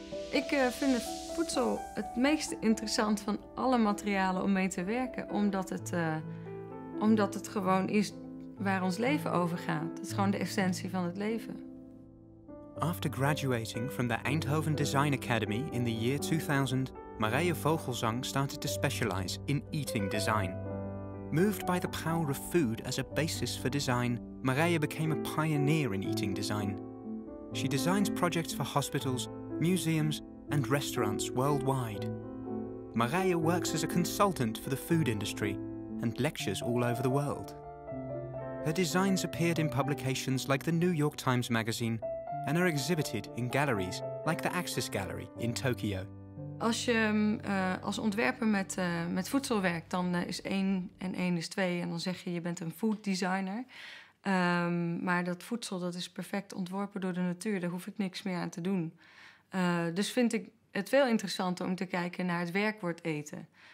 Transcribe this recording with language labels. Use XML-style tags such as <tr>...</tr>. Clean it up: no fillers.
<nl>Ik vind het voedsel het meest interessant van alle materialen om mee te werken, omdat het gewoon is waar ons leven over gaat. Het is gewoon de essentie van het leven.</nl> <en>After graduating from the Eindhoven Design Academy in the year 2000, Marije Vogelzang started to specialize in eating design. Moved by the power of food as a basis for design, Marije became a pioneer in eating design. She designs projects for hospitals, museums, and restaurants worldwide. Marije works as a consultant for the food industry and lectures all over the world. Her designs appeared in publications like the New York Times Magazine and are exhibited in galleries like the Axis Gallery in Tokyo.</en> <nl>Als je als ontwerper met voedsel werkt, dan is 1 en 1 is 2 en dan zeg je bent een food designer. Maar dat voedsel dat is perfect ontworpen door de natuur, daar hoef ik niks meer aan te doen. Dus vind ik het veel interessanter om te kijken naar het werkwoord eten.</nl>